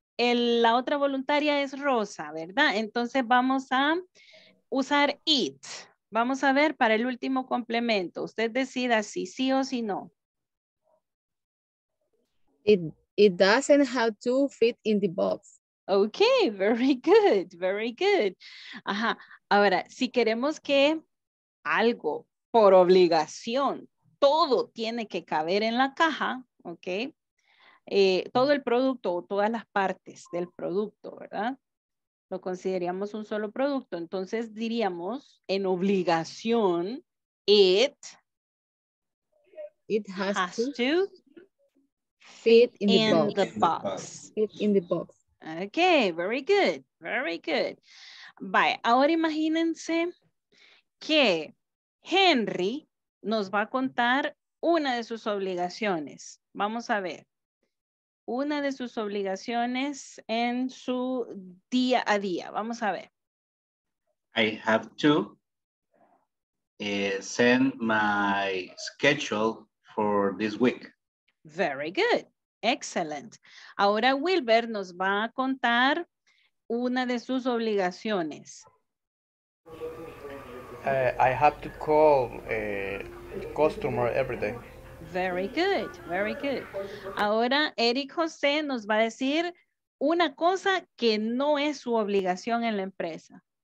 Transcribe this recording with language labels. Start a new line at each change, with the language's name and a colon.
Spanish: La otra voluntaria es Rosa, ¿verdad? Entonces vamos a usar it. Vamos a ver para el último complemento. Usted decida si sí o si no.
English: It doesn't have to fit in the box. Okay, very good, very good. Ajá.
Spanish: Ahora, si queremos que algo por obligación, todo tiene que caber en la caja, okay, todo el producto o todas las partes del producto, ¿verdad? Lo consideramos un solo producto. Entonces diríamos en obligación,
English: it has to fit in the box. Okay, very good, very good. Bye.
Spanish: Ahora imagínense que Henry nos va a contar una de sus obligaciones. Vamos a ver. Una de sus obligaciones en su día a día. Vamos a ver.
English: I have to send my schedule for this week. Very good. Excellent.
Spanish: Ahora Wilber nos va a contar una de sus obligaciones.
English: I have to call a customer every day. Very good, very good.
Spanish: Ahora Eric José nos va a decir una cosa que no es su obligación en la empresa.